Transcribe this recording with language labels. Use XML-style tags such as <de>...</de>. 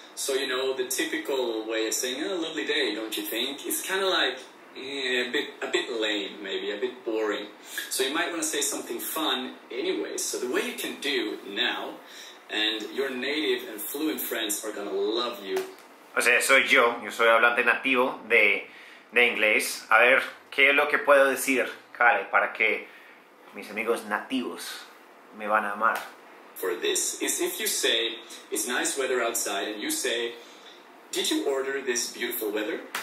<en>So, you know, the typical way of saying, oh, lovely day, don't you think? It's kind of like a bit lame, maybe, a bit boring. So you might want to say something fun anyway. So the way you can do now, and your native and fluent friends are going to love you.</en> <es>O sea, soy yo, yo soy hablante nativo de inglés. A ver, ¿qué es lo que puedo decir, Kale, para que mis amigos nativos me van a amar?</es> <en>For this, is if you say, it's nice weather outside, and you say, did you order this beautiful weather?</en>